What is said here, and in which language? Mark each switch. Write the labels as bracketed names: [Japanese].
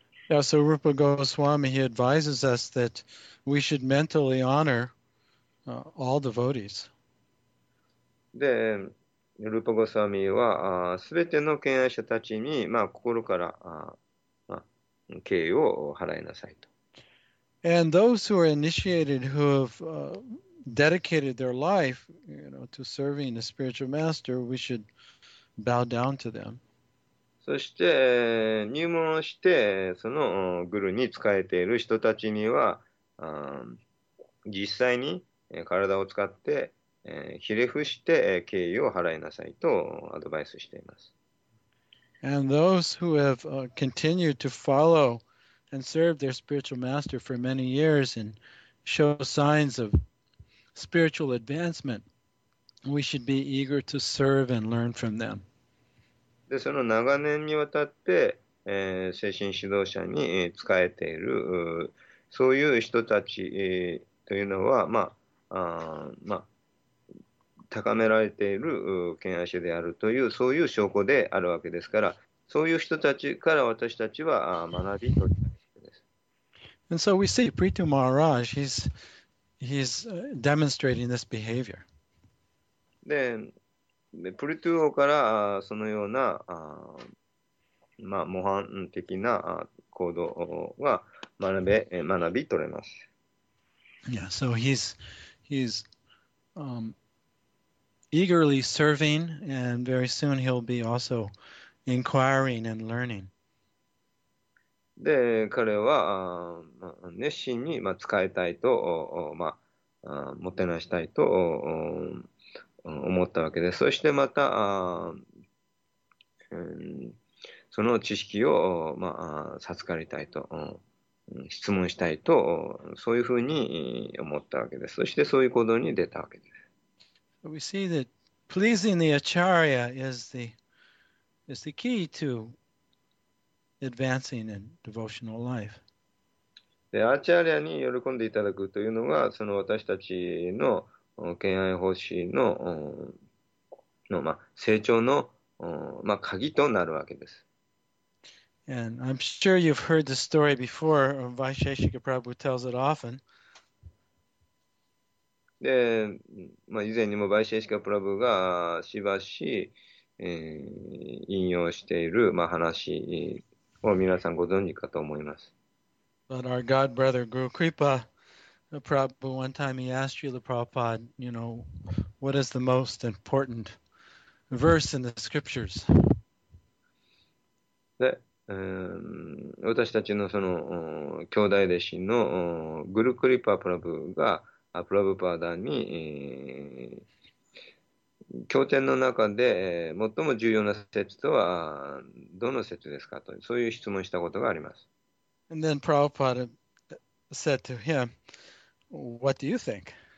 [English] Yeah, so Rupa Goswami, he advises us that we should mentally honor all devotees. [Japanese] で、ルーパゴスワミは、すべての敬愛者たちに、まあ、心から、まあ、敬意を払いなさいと。 [English] And those who are initiated, who have dedicated their life, you know, to serving the spiritual master, we should bow down to them. [Japanese] そして入門してそのグルに仕えている人たちには実際に体を使ってひれ伏して敬意を払いなさいとアドバイスしています。 [English] And those who have continued to follow and serve their spiritual master for many years and show signs of spiritual advancement, we should be eager to serve and learn from them. [Japanese] でその長年にわたって、精神指導者に仕えているそういう人たち、というのは、まあまあ、高められている権威者であるというそういう証拠であるわけですからそういう人たちから私たちは学び取りたいわけです。 [English] And so we see Prithu Maharaj, he's demonstrating this behavior. [Japanese] ででプリトゥ王からそのようなまあ、模範的な行動が学び取れます。 [English] Yeah, so he's eagerly serving, and very soon he'll be also inquiring and learning. [Japanese] で、彼は熱心に使いたいと、まあ、もてなしたいと思ったわけで、そしてまた、その知識を、まあ、授かりたいと、質問したいと、そういうふうに思ったわけです。そしてそういう行動に出たわけです。 [English] We see that pleasing the Acharya is the key to advancing in devotional life. [Japanese] で、アチャリアに喜んでいただくというのが、その私たちの敬愛奉仕 の、まあ、成長の、まあ、鍵となるわけです。 [English] And I'm sure you've heard the story before. Vaisheshika Prabhu tells it often. [Japanese] で、まあ、以前にも Vaisheshika Prabhu がしばし、引用している、まあ、話を皆さんご存知かと思います。 [English] But our god brother Guru Kripa Prabhu, one time he asked Srila Prabhupada, you know, what is the most important verse in the scriptures? [Japanese] で、私たちのその兄弟弟子のグルクリパプラブがプラブパーダに経典の中で最も重要な説とはどの説ですかと、そういう質問したことがあります。 [English] And then Prabhupada said to him, What do you think?